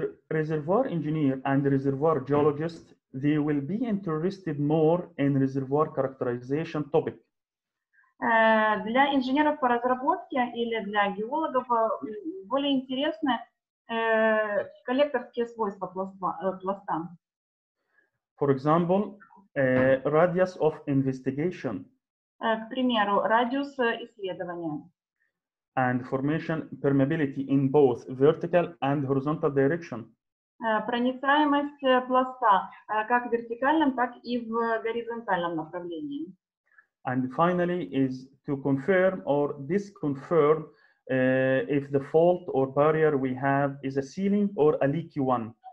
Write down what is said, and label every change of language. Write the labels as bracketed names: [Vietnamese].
[English] Reservoir engineer and reservoir geologist, they will be interested more in reservoir characterization topic. [Russian] Для инженеров по разработке или для геологов более интересны коллекторские свойства пласта. [English] For example, radius of investigation. [Russian] К примеру, радиус исследования. [English] And formation permeability in both vertical and horizontal direction. [Russian] Проницаемость пласта как в вертикальном, так и в горизонтальном направлении. [English] And finally is to confirm or disconfirm if the fault or barrier we have is a sealing or a leaky one.